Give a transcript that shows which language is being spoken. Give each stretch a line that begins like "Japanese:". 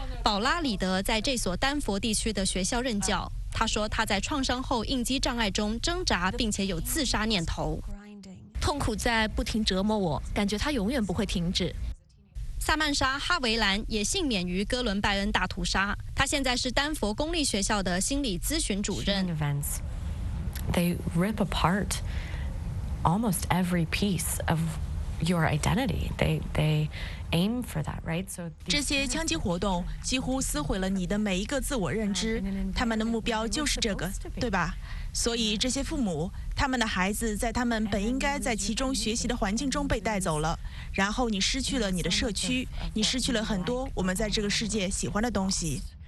Chinese: 宝拉·里德在这所丹佛地区的学校任教，他说他在创伤后应激障碍中挣扎，并且有自杀念头。痛苦在不停折磨我，感觉它永远不会停止。萨曼莎·哈维兰也幸免于哥伦拜恩大屠杀，她现在是丹佛公立学校的心理咨询主任。
English: They rip apart almost every piece of your identity. They aim for that, right? So
Chinese: 这些枪击活动几乎撕毁了你的每一个自我认知，他们的目标就是这个，对吧？所以这些父母，他们的孩子在他们本应该在其中学习的环境中被带走了，然后你失去了你的社区，你失去了很多我们在这个世界喜欢的东西。